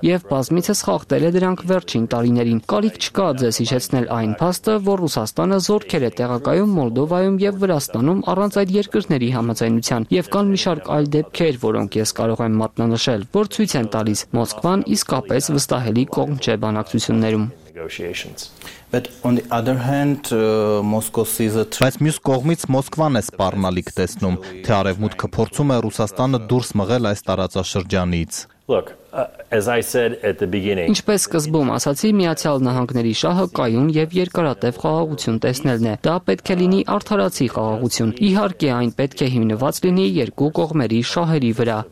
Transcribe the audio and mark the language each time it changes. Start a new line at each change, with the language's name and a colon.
Armenian: եւ բազմիցս խախտել է դրանք վերջին տարիներին։ Կարիք չկա ձեզ հիշեցնել այն փաստը, որ Ռուսաստանը զորքեր է տեղակայում Մոլդովայում եւ Վրաստանում առանց այդ երկրների համաձայնության եւ կան մի շարք այլ դեպքեր, որոնք ես կարող են մատնանշել, որ ցույց են տալիս Մոսկվան իսկապես վստահելի կողմ չէ բանակցություններում։
English: But on the other hand, Moscow sees it.
Armenian: Բայց մյուս կողմից Մոսկվան է սպառնալիք տեսնում, թե արևմուտքը փորձում է Ռուսաստանը դուրս մղել այս տարածաշրջանից։
English: Look, as I said at the beginning.
Armenian: Ինչպես սկզբում ասացի, Միացյալ Նահանգների շահը կայուն եւ երկարատև խաղաղություն տեսնելն է։ Դա պետք է լինի արդարացի խաղաղություն։ Իհարկե, այն պետք է հիմնված լինի երկու կողմերի շահերի վրա,